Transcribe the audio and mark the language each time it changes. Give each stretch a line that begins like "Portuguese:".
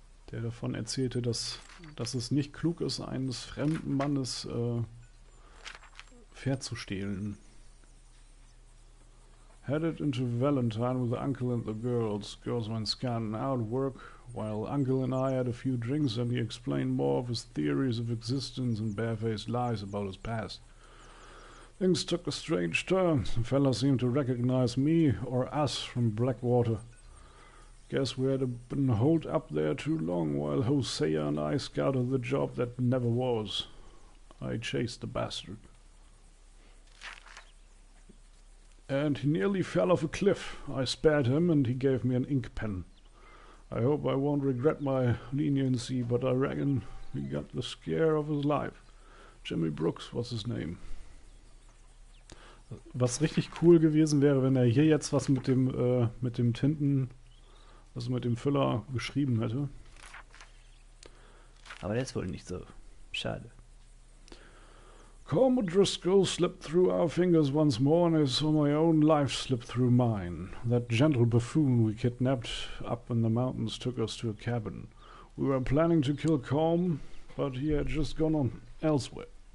German: Der davon erzählte, dass es nicht klug ist, eines fremden Mannes Pferd zu stehlen.
English: Headed into Valentine with the uncle and the girls. Girls went scanning out work, while uncle and I had a few drinks and he explained more of his theories of existence and barefaced lies about his past. Things took a strange turn. The fella seemed to recognize me or us from Blackwater. Guess we had been holed up there too long while Hosea and I scouted the job that never was. I chased the bastard. And he nearly fell off a cliff. I spared him and he gave me an ink pen. I hope I won't regret my leniency, but I reckon he got the scare of his life. Jimmy Brooks was his name.
German: Was richtig cool gewesen wäre, wenn er hier jetzt was mit dem Tinten, was er mit dem Füller geschrieben hätte. Aber das ist wohl nicht so. Schade.
English: Cormac Driscoll slipped through our fingers once more and I saw my own life slip through mine. That gentle buffoon we kidnapped up in the mountains took us to a cabin. We were planning to kill Corm, but he had just gone on elsewhere.